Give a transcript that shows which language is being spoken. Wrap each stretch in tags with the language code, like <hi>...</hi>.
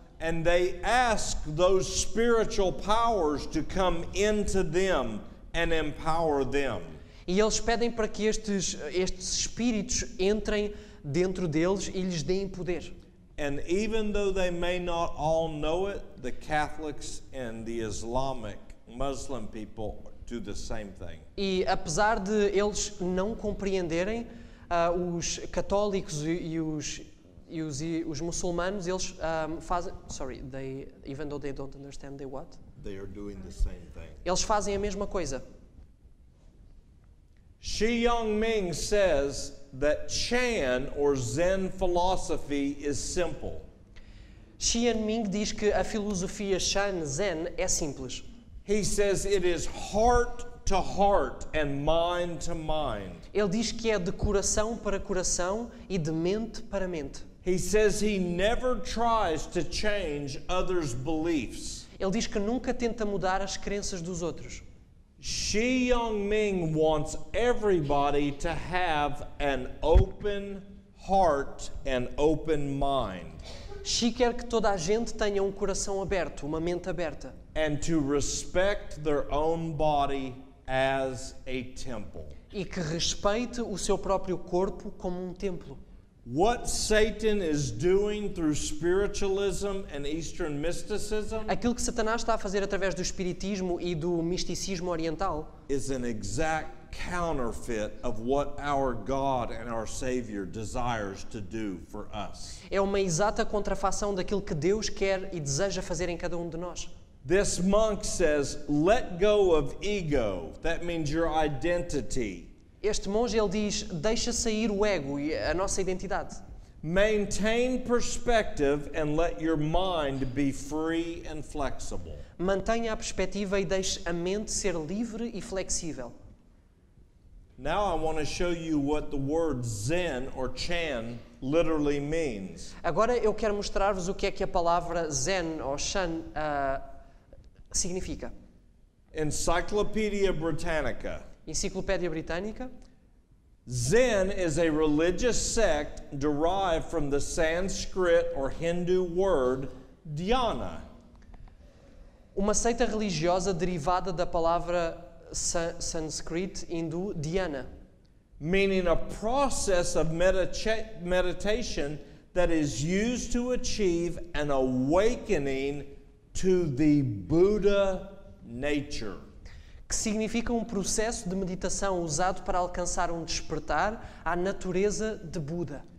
<en>And they ask those spiritual powers to come into them and empower them.</en> <pt>E eles pedem para que estes espíritos entrem dentro deles e lhes deem poder.</pt> <en>And even though they may not all know it, the Catholics and the Islamic Muslim people do the same thing.</en> <pt>E apesar de eles não compreenderem, os católicos e os muçulmanos, eles fazem...</pt> <en>Sorry, even though they don't understand, they what? They are doing the same thing.</en> <pt>Eles fazem a mesma coisa.</pt> <en>Xi Yongming says that Chan or Zen philosophy is simple.</en> <pt>Xian Ming diz que a filosofia Shan Zen é simples.</pt> <en>He says it is heart to heart and mind to mind.</en> <pt>Ele diz que é de coração para coração e de mente para mente.</pt> <en>He says he never tries to change others' beliefs.</en> <pt>Ele diz que nunca tenta mudar as crenças dos outros.</pt> <en>Xi Yongming wants everybody to have an open heart and open mind.</en> <pt>Xi quer que toda a gente tenha um coração aberto, uma mente aberta.</pt> <en>And to respect their own body as a temple.</en> <pt>E que respeite o seu próprio corpo como um templo.</pt> <en>What Satan is doing through spiritualism and Eastern mysticism?</en> <pt>Aquilo que Satanás está a fazer através do espiritismo e do misticismo oriental</pt> <en>is an exact counterfeit of what our God and our Savior desires to do for us.</en> <pt>É uma exata contrafação daquilo que Deus quer e deseja fazer em cada um de nós.</pt> <en>This monk says, "Let go of ego." That means your identity.</en> <pt>Este monge, ele diz, deixa sair o ego e a nossa identidade.</pt> <en>Maintain perspective and let your mind be free and flexible.</en> <pt>Mantenha a perspectiva e deixe a mente ser livre e flexível.</pt> <en>Now I want to show you what the word Zen or Chan literally means.</en> <pt>Agora eu quero mostrar-vos o que é que a palavra Zen ou Chan significa.</pt> <en>Encyclopedia Britannica.</en> <pt>Enciclopédia Britânica.</pt> <en>Zen is a religious sect derived from the Sanskrit or Hindu word dhyana.</en> <pt>Uma seita religiosa derivada da palavra Sanskrit hindu dhyana.</pt> <en>Meaning a process of meditation that is used to achieve an awakening to the Buddha nature.</en> <pt>Que significa um processo de meditação usado para alcançar um despertar à natureza de Buda.</pt>